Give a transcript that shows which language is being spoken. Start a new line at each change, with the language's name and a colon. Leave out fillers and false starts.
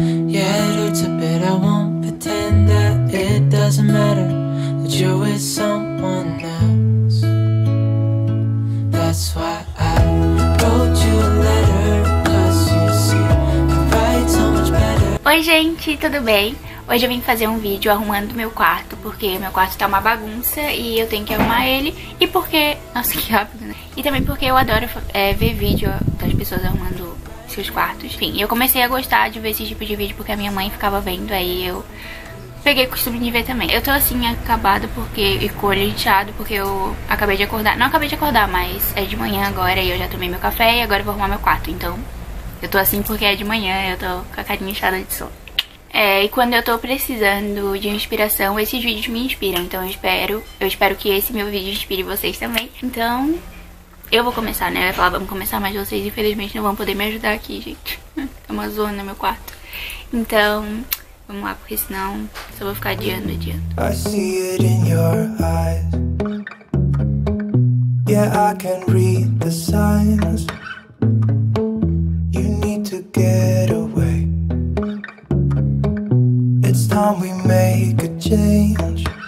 English: Yeah, it hurts a bit, I won't pretend that it doesn't matter that you're with someone else. That's why I wrote you a letter, 'cause you see, I write so much better.
Portuguese: Oi, gente, tudo bem? Hoje eu vim fazer um vídeo arrumando meu quarto, porque meu quarto tá uma bagunça e eu tenho que arrumar ele. E porque... Nossa, que rápido, né? E também porque eu adoro ver vídeo das pessoas arrumando seus quartos. Enfim, eu comecei a gostar de ver esse tipo de vídeo porque a minha mãe ficava vendo, aí eu peguei o costume de ver também. Eu tô assim, acabada porque... e com o olho inchado porque eu acabei de acordar. Não acabei de acordar, mas é de manhã agora e eu já tomei meu café e agora eu vou arrumar meu quarto. Então, eu tô assim porque é de manhã e eu tô com a carinha inchada de sono. E quando eu tô precisando de inspiração, esses vídeos me inspiram. Então eu espero que esse meu vídeo inspire vocês também. Então, eu vou começar, né? Eu ia falar, vamos começar, mas vocês infelizmente não vão poder me ajudar aqui, gente. É uma zona no meu quarto. Então, vamos lá, porque senão só vou ficar adiando.
English: I see it in your eyes. Yeah, I can read the signs. You need to get away. Time we make a change.